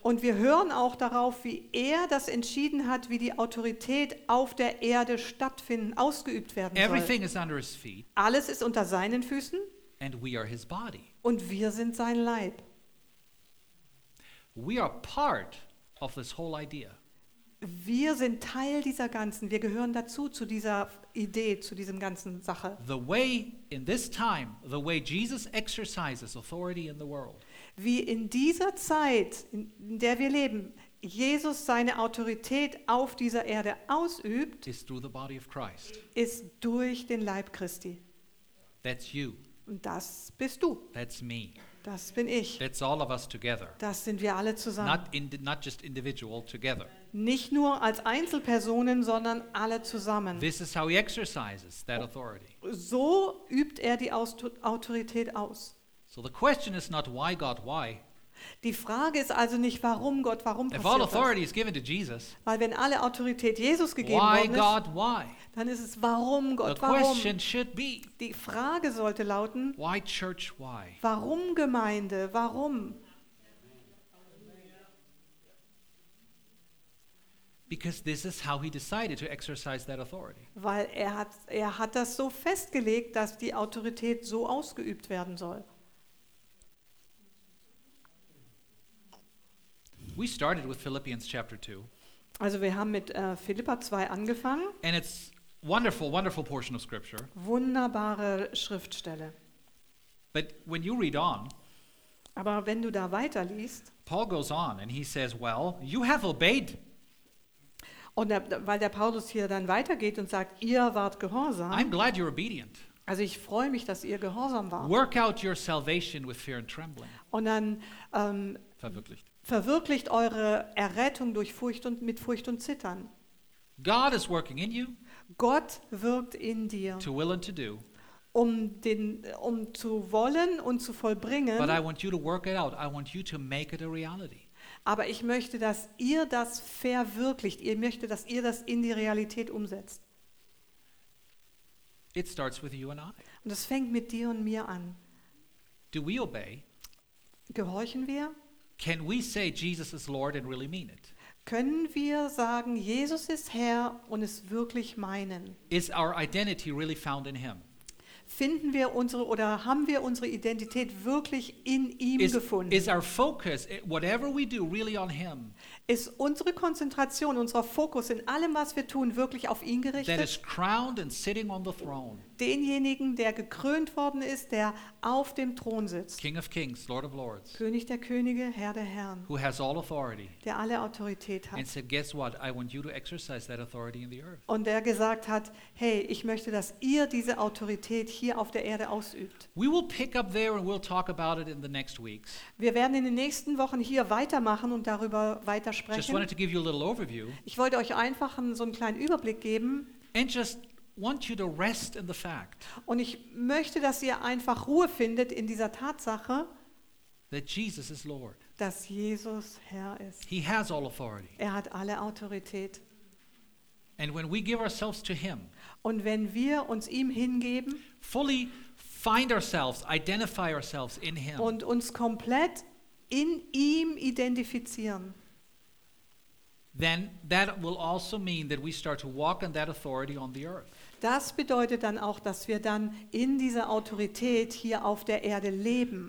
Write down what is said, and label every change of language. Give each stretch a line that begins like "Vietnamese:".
German: Und wir hören auch darauf, wie er das entschieden hat, wie die Autorität auf der Erde stattfinden, ausgeübt werden soll.
English: Everything is under his feet.
German: Alles ist unter seinen Füßen.
English: And we are his body.
German: Und wir sind sein Leib.
English: We are part of this whole idea.
German: Wir sind Teil dieser ganzen, wir gehören dazu, zu dieser Idee, zu diesem ganzen Sache.
English: The way in this time, the way Jesus exercises authority in the world.
German: Wie in dieser Zeit, in der wir leben, Jesus seine Autorität auf dieser Erde ausübt,
English: is through the body of Christ.
German: Ist durch den Leib Christi.
English: That's you.
German: Und das bist du.
English: That's me.
German: Das bin ich.
English: That's all of us together.
German: Das sind wir alle zusammen.
English: Not just individual, together.
German: Nicht nur als Einzelpersonen, sondern alle zusammen.
English: This is how he exercises that authority.
German: So übt er die Autorität aus.
English: So the question is not why God, why.
German: Die Frage ist also nicht, warum Gott, warum passiert
English: das? If all authority is given to Jesus,
German: weil wenn alle Autorität Jesus gegeben
English: why
German: worden ist,
English: God, why?
German: Dann ist es, warum Gott,
English: the question
German: warum?
English: Should be,
German: die Frage sollte lauten,
English: why church, why?
German: Warum Gemeinde, warum?
English: Because this is how he decided to exercise that authority.
German: Weil er hat das so festgelegt, dass die Autorität so ausgeübt werden soll.
English: We started with Philippians chapter 2.
German: Also wir haben mit Philipper 2 angefangen.
English: And it's wonderful, wonderful portion of scripture.
German: Wunderbare Schriftstelle.
English: But when you read on,
German: aber wenn du da weiterliest,
English: Paul goes on and he says, well, you have obeyed.
German: Und weil der Paulus hier dann weitergeht und sagt, ihr wart gehorsam.
English: I'm glad you're obedient.
German: Also ich freue mich, dass ihr gehorsam wart.
English: Work out your salvation with fear and trembling.
German: Und dann verwirklicht eure Errettung durch Furcht und mit Furcht und Zittern.
English: God is working in you.
German: Gott wirkt in dir.
English: To will and to do.
German: Um zu wollen und zu vollbringen.
English: But I want you to work it out. I want you to make it a reality.
German: Aber ich möchte, dass ihr das verwirklicht. Ihr möchte, dass ihr das in die Realität umsetzt.
English: It starts with you and I.
German: Und das fängt mit dir und mir an.
English: Do we obey?
German: Gehorchen wir?
English: Can we say Jesus is Lord and really mean it?
German: Können wir sagen, Jesus ist Herr und es wirklich meinen?
English: Is our identity really found in him?
German: Finden wir unsere oder haben wir unsere Identität wirklich in ihm gefunden?
English: Is our focus, whatever we do, really on him?
German: Ist unsere Konzentration, unser Fokus in allem, was wir tun, wirklich auf ihn gerichtet?
English: That is crowned and sitting on the throne.
German: Denjenigen, der gekrönt worden ist, der auf dem Thron sitzt.
English: King of Kings, Lord of Lords.
German: König der Könige, Herr der Herren.
English: Who has all authority.
German: Der alle Autorität hat.
English: And said, guess what? I want you to exercise that authority in the earth.
German: Und der gesagt hat, hey, ich möchte, dass ihr diese Autorität hier auf der Erde ausübt.
English: We will pick up there and we'll talk about it in the next weeks.
German: Wir werden in den nächsten Wochen hier weitermachen und darüber weiter sprechen.
English: Just wanted to give you a little overview.
German: Ich wollte euch einfach so einen kleinen Überblick geben.
English: And just want you to rest in the fact.
German: Und ich möchte, dass ihr einfach Ruhe findet in dieser Tatsache,
English: that Jesus is Lord.
German: Dass Jesus Herr ist.
English: He has all authority.
German: Er hat alle Autorität.
English: And when we give ourselves to him,
German: und wenn wir uns ihm hingeben,
English: fully find ourselves, identify ourselves in him,
German: und uns komplett in ihm identifizieren,
English: then that will also mean that we start to walk in that authority on the earth.
German: Das bedeutet dann auch, dass wir dann in dieser Autorität hier auf der Erde leben.